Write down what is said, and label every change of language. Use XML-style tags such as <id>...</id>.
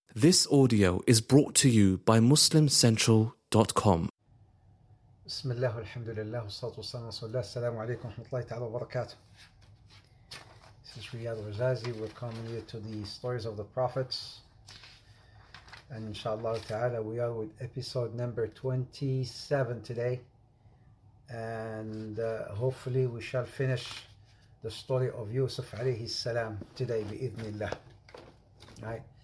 <en>This audio is brought to you by MuslimCentral.com.</en> <ar>بسم الله والحمد لله والصلاة والسلام على رسول الله. السلام عليكم ورحمة الله تعالى وبركاته.</ar> <en>This is Riyad Rajazi. We're coming here to the stories of the prophets. And inshallah ta'ala, we are with episode number 27 today. And hopefully we shall finish the story of Yusuf alayhi salam today bi-idhnillah. Right?</en>